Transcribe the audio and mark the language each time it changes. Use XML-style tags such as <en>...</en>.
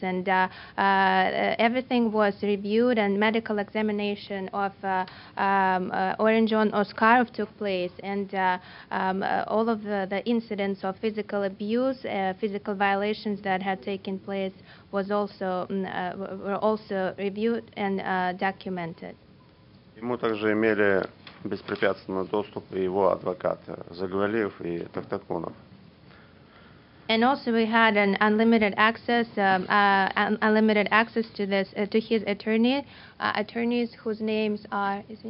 <en>And everything was reviewed and medical examination of Orenjon Oskarov took place, and all of the incidents of physical abuse, physical violations that had taken place, was also were also reviewed and documented.</en> <ru>Ему также имели беспрепятственный доступ и его адвокат Загвалиев и Тахтаконов.</ru> <en>And also we had an unlimited access to this to his attorney, attorneys whose names are.</en>